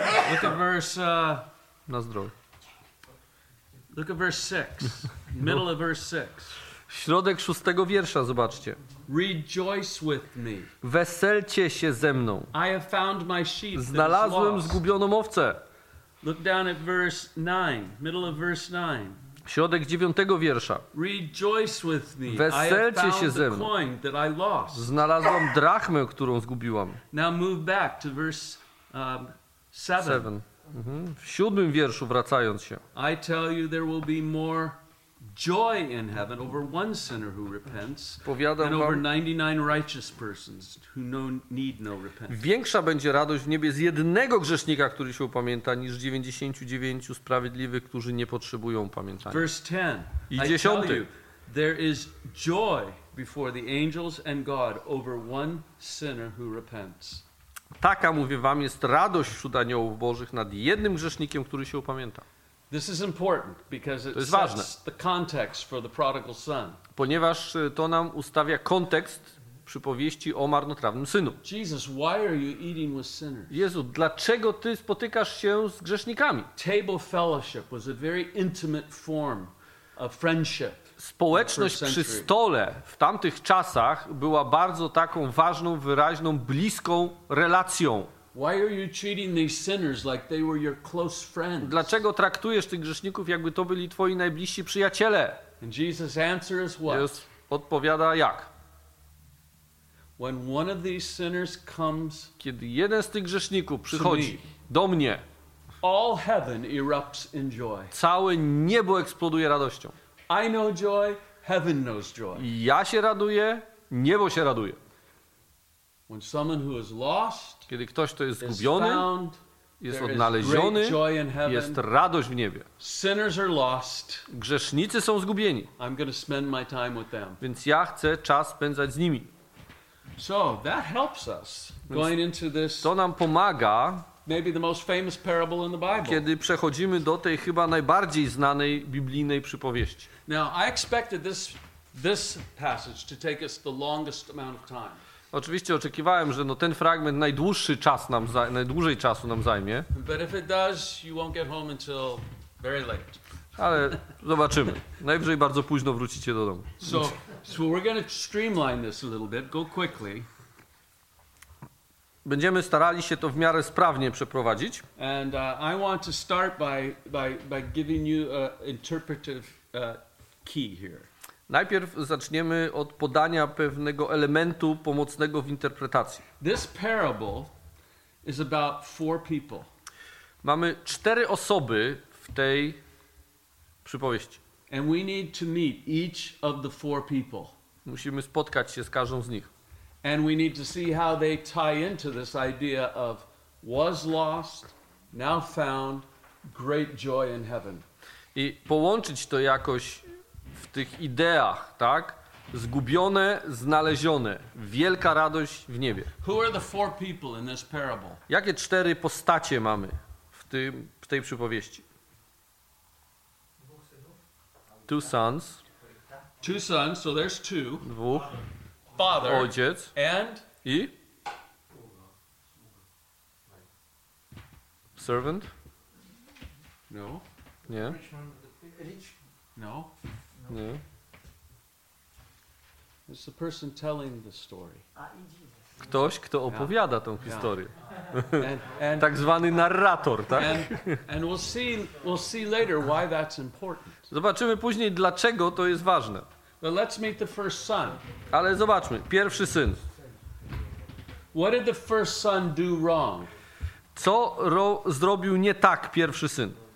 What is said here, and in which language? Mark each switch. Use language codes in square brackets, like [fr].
[en] Look at verse, [pl] na zdrowie. [en] Look at verse 6. Middle of verse 6. [pl] Środek szóstego wiersza, zobaczcie. [en] Rejoice with me. [pl] Weselcie się ze mną. [en] I have found my sheep. [pl] Znalazłem zgubioną owcę. [en] Look down at verse 9, middle of verse 9. [pl] Środek dziewiątego wiersza. [en] Rejoice with me. [pl] Weselcie się ze mną. [en] I have found the coin that I lost. [pl] Znalazłam drachmę, którą zgubiłam. [en] Now move back to verse 7. [pl] W siódmym wierszu wracając się. [en] I tell you there will be more joy in heaven over one sinner who repents than over 99 righteous persons who need no repentance. [pl] Większa będzie radość w niebie z jednego grzesznika, który się upamięta, niż 99 sprawiedliwych, którzy nie potrzebują upamiętania. [en] Verse 10. [pl] I dziesiąty. [en] There is joy before the angels and God over one sinner who repents. [pl] Taka, mówię wam, jest radość wśród aniołów Bożych nad jednym grzesznikiem, który się upamięta. [en] This is important because it sets the context for the prodigal son. [pl] Ponieważ to nam ustawia kontekst przypowieści o marnotrawnym synu. [en] Jesus, why are you eating with sinners? [pl] Jezu, dlaczego ty spotykasz się z grzesznikami? [en] Table fellowship was a very intimate form of friendship. [pl] Społeczność przy stole w tamtych czasach była bardzo taką ważną, wyraźną, bliską relacją. [en] Why are you treating these sinners like they were your close friends? [pl] Dlaczego traktujesz tych grzeszników, jakby to byli twoi najbliżsi przyjaciele? [en] And Jesus' answer is what? [pl] Jezus odpowiada jak? [en] When one of these sinners comes, [pl] kiedy jeden z tych grzeszników przychodzi do mnie, [en] all heaven erupts in joy. [pl] Całe niebo eksploduje radością. [en] I know joy, heaven knows joy. [pl] Ja się raduję, niebo się raduje. [en] When someone who is lost, [pl] kiedy ktoś, kto jest zgubiony, jest odnaleziony, jest radość w niebie. [en] Sinners are lost. [pl] Grzesznicy są zgubieni. [en] I'm going to spend my time with them. [pl] Więc ja chcę czas spędzać z nimi. [en] So that helps us going into this. [pl] To nam pomaga. [en] Maybe the most famous parable in the Bible. [pl] Kiedy przechodzimy do tej chyba najbardziej znanej biblijnej przypowieści. [en] Now I expected this passage to take us the longest amount of time. [pl] Oczywiście oczekiwałem, że ten fragment najdłużej czasu nam zajmie. [en] But if it does, you won't get home until very late. [pl] Ale zobaczymy. Najwyżej bardzo późno wrócicie do domu. [en] So we're going to streamline this a little bit, go quickly. [pl] Będziemy starali się to w miarę sprawnie przeprowadzić. [en] And I want to start by giving you an interpretive key here. [pl] Najpierw zaczniemy od podania pewnego elementu pomocnego w interpretacji. [en] This parable is about four people. [pl] Mamy cztery osoby w tej przypowieści. [en] And we need to meet each of the four people. [pl] Musimy spotkać się z każdą z nich. [en] And we need to see how they tie into this idea of was lost, now found, great joy in heaven. [pl] I połączyć to jakoś w tych ideach, tak? Zgubione, znalezione, wielka radość w niebie. [en] Who are the four people in this parable? [pl] Jakie cztery postacie mamy w tej przypowieści? [en] Two sons, so there's two. [pl] Dwóch. [en] Father. [pl] Ojciec. [en] And? [pl] I? [en] Servant? No. [pl] Nie. [en] No. [pl] Nie. [en] It's the person telling the story. [pl] Ktoś, kto opowiada tą historię. And tak zwany narrator, tak? [en] And we'll see later why that's important. [pl] Zobaczymy później, dlaczego to jest ważne. [en] Well, let's meet the first son. [pl] Ale zobaczmy, pierwszy syn. [en] What did the first son do wrong? [pl] Co zrobił nie tak pierwszy syn?